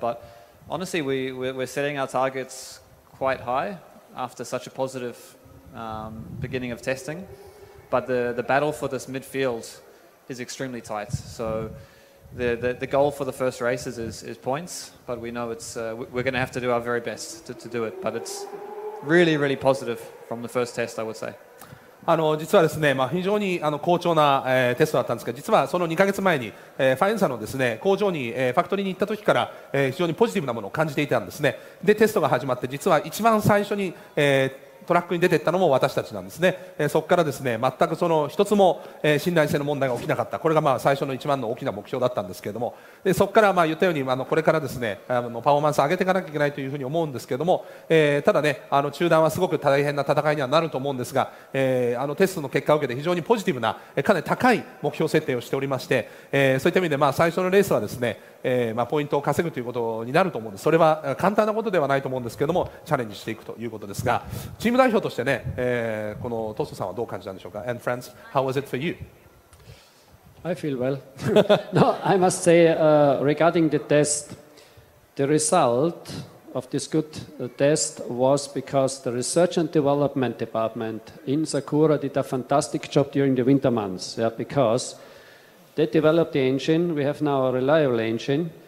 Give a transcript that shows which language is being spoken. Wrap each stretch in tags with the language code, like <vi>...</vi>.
<en>ButHonestly, we're setting our targets quite high after such a positive beginning of testing. But the battle for this midfield is extremely tight. So the goal for the first races is points. But we know we're going to have to do our very best to do it. But it's really, really positive from the first test, I would say.</en> <ja>実はですね、まあ、非常に好調な、テストだったんですが、実はその2ヶ月前に、ファエンサのですね、工場に、ファクトリーに行った時から、非常にポジティブなものを感じていたんですね。でテストが始まって、実は一番最初に、トラックに出ていったのも私たちなんですね。そこからですね、全くその一つも、信頼性の問題が起きなかった。これがまあ最初の一番の大きな目標だったんですけれども、でそこからまあ言ったように、これからですね、パフォーマンス上げていかなきゃいけないというふうに思うんですけれども、ただね、中段はすごく大変な戦いにはなると思うんですが、テストの結果を受けて非常にポジティブな、かなり高い目標設定をしておりまして、そういった意味でまあ最初のレースはですね、まあポイントを稼ぐということになると思うんです。それは簡単なことではないと思うんですけれども、チャレンジしていくということですが、チーム代表としてね、このトストさんはどう感じたんでしょうか。</ja> <en>And friends, how was it for you? I feel well. No, I must say, regarding the test, the result of this good test was because the research and development department in Sakura did a fantastic job during the winter months. Yeah, because they developed the engine, we have now a reliable engine.</en>